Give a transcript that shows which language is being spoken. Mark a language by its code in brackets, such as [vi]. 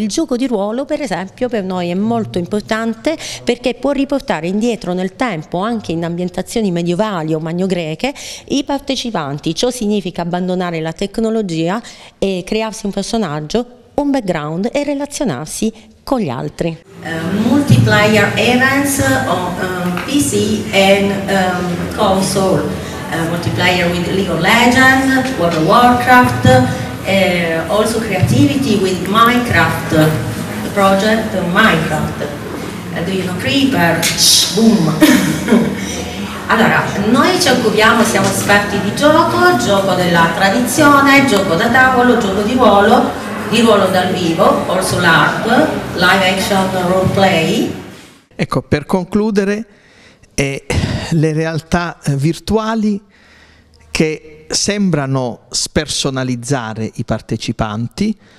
[it] Il gioco di ruolo, per esempio, per noi è molto importante, perché può riportare indietro nel tempo, anche in ambientazioni medievali o magno-greche, i partecipanti. Ciò significa abbandonare la tecnologia e crearsi un personaggio, un background e relazionarsi con gli altri. [en] Multiplayer events on PC and console, multiplayer with League of Legends, World of Warcraft, also creativity with Minecraft, the project Minecraft. Do you know Creeper? Boom! [it] Allora, noi ci occupiamo, siamo esperti di gioco della tradizione, gioco da tavolo, gioco di ruolo, di ruolo dal vivo, [en] also LARP, live action role play. [it] Ecco, per concludere, le realtà virtuali che sembrano spersonalizzare i partecipanti,